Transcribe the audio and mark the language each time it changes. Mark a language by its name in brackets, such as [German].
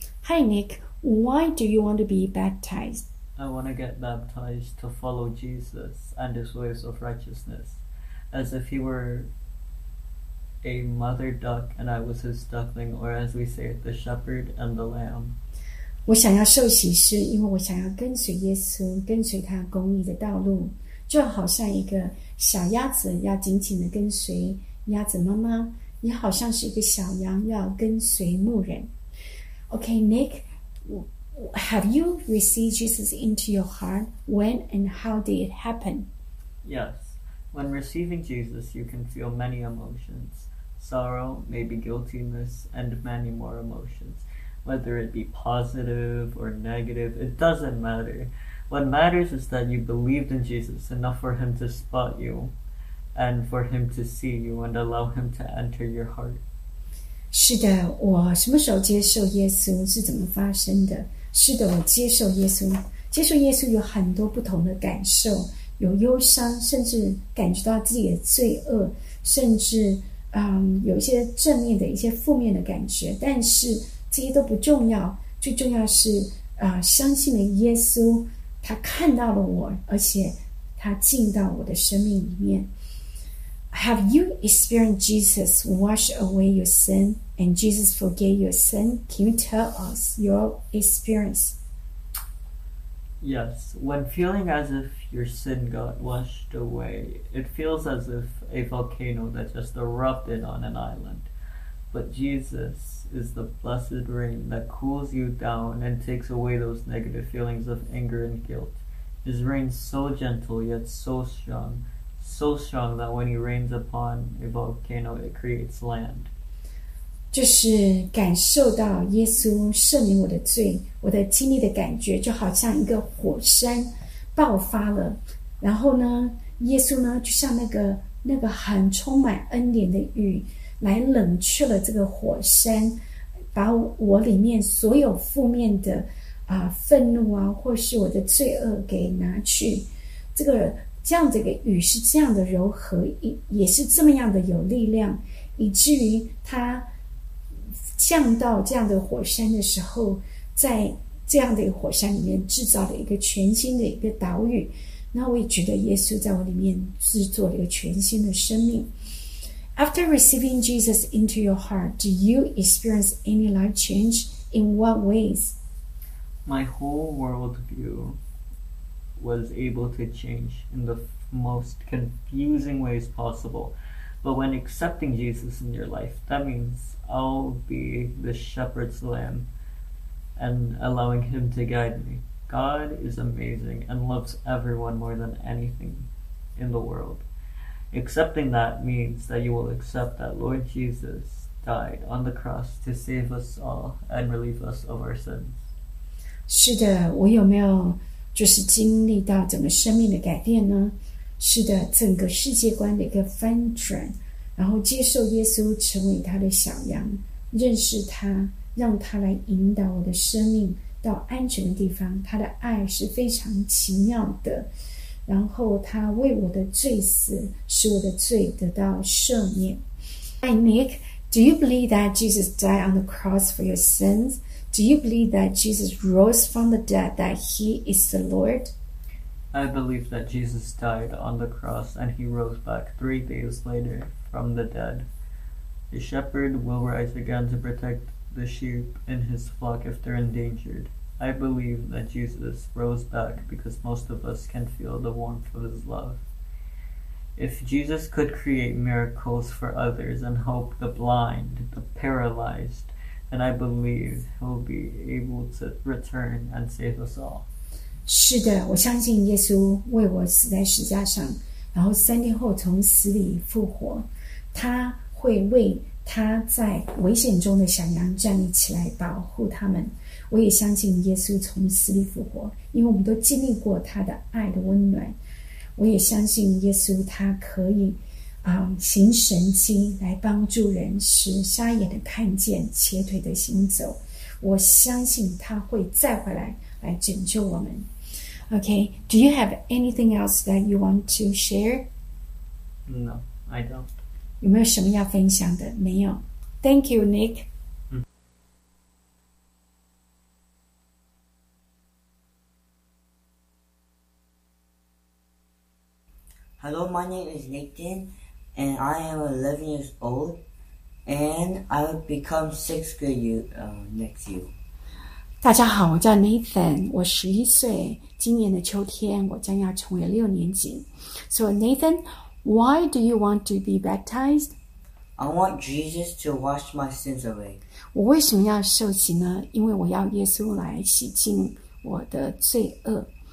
[English] Hi Nick, why do you want to be baptized? I want to get baptized to follow Jesus and his ways of righteousness, as if he were a mother duck and I was his duckling, or as we say, the shepherd and the lamb. [Chinese] 我想要受洗是因为我想要跟随耶稣，跟随他公义的道路，就好像一个小鸭子要紧紧地跟随鸭子妈妈，也好像是一个小羊要跟随牧人。 [English] Okay, Nick, have you received Jesus into your heart? When and how did it happen? Yes, when receiving Jesus, you can feel many emotions. Sorrow, maybe guiltiness, and many more emotions. Whether it be positive or negative, it doesn't matter. What matters is that you believed in Jesus enough for him to spot you and for him to see you and allow him to enter your heart. [Chinese] 是的，我什么时候接受耶稣是怎么发生的？是的，我接受耶稣。接受耶稣有很多不同的感受，有忧伤，甚至感觉到自己的罪恶，甚至有一些正面的一些负面的感觉。但是这些都不重要，最重要是相信了耶稣，他看到了我，而且他进到我的生命里面。 [English] Have you experienced Jesus wash away your sin and Jesus forgave your sin? Can you tell us your experience? Yes, when feeling as if your sin got washed away, it feels as if a volcano that just erupted on an island. But Jesus is the blessed rain that cools you down and takes away those negative feelings of anger and guilt. His rain is so gentle yet so strong. So strong that when he rains upon a volcano, it creates land. [Chinese] 就是感受到耶稣赦免我的罪，我的经历的感觉就好像一个火山爆发了。然后呢，耶稣呢就像那个很充满恩典的雨，来冷却了这个火山，把我里面所有负面的愤怒啊，或是我的罪恶给拿去，这个。这样的一个雨是这样的柔和，也是这么样的有力量，以至于它降到这样的火山的时候，在这样的一个火山里面制造了一个全新的一个岛屿。那我也觉得耶稣在我里面制作了一个全新的生命。 [English] After receiving Jesus into your heart, do you experience any life change? In what ways? My whole world view. Was able to change in the most confusing ways possible. But when accepting Jesus in your life, that means I'll be the shepherd's lamb and allowing him to guide me. God is amazing and loves everyone more than anything in the world. Accepting that means that you will accept that Lord Jesus died on the cross to save us all and relieve us of our sins. [Chinese] 是的，我有没有就是经历到整个生命的改变呢？是的，整个世界观的一个翻转，然后接受耶稣成为他的小羊，认识他，让他来引导我的生命到安全的地方。他的爱是非常奇妙的，然后他为我的罪死，使我的罪得到赦免。 [English] Hi Nick, do you believe that Jesus died on the cross for your sins? Do you believe that Jesus rose from the dead, that he is the Lord? I believe that Jesus died on the cross and he rose back 3 days later from the dead. The shepherd will rise again to protect the sheep in his flock if they're endangered. I believe that Jesus rose back because most of us can feel the warmth of his love. If Jesus could create miracles for others and help the blind, the paralyzed,And I believe he'll be able to return and save us all. [Chinese] 是的，我相信耶稣为我死在十架上，然后三天后从死里复活。他会为他在危险中的小羊站立起来，保护他们。我也相信耶稣从死里复活，因为我们都经历过他的爱的温暖。我也相信耶稣，他可以。行神迹来帮助人，使瞎眼的看见，瘸腿的行走。我相信他会再回来，来拯救我们。 [English] Okay, do you have anything else that you want to share? No, I don't. [Chinese] 有没有什么要分享的？没有。 [English] Thank you, Nick. Hello, my name is Nathan, and I am 11 years old, and I will become 6th grade next year. [Chinese] 大家好，我叫 Nathan, 我11岁，今年的秋天我将要成为6年级。 [English] So Nathan, why do you want to be baptized? I want Jesus to wash my sins away. [Chinese] 我为什么要受洗呢？因为我要耶稣来洗净我的罪恶。